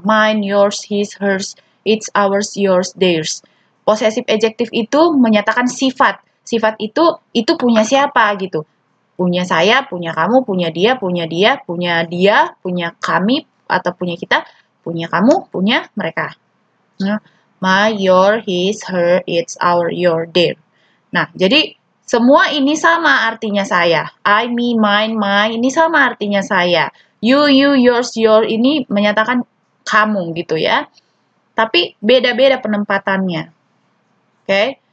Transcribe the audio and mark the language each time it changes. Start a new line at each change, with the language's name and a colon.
English: Mine, yours, his, hers, it's ours, yours, theirs.
Indonesian: Possessive adjective itu menyatakan sifat. Sifat itu punya siapa gitu. Punya saya, punya kamu, punya dia, punya dia, punya dia, punya kami atau punya kita, punya kamu, punya mereka.
English: My, your, his, her, it's our, your, their.
Indonesian: Nah, jadi semua ini sama artinya saya.
English: I, me, mine, my,
Indonesian: ini sama artinya saya.
English: You, yours, your,
Indonesian: ini menyatakan kamu gitu ya. Tapi beda-beda penempatannya. Oke. Okay.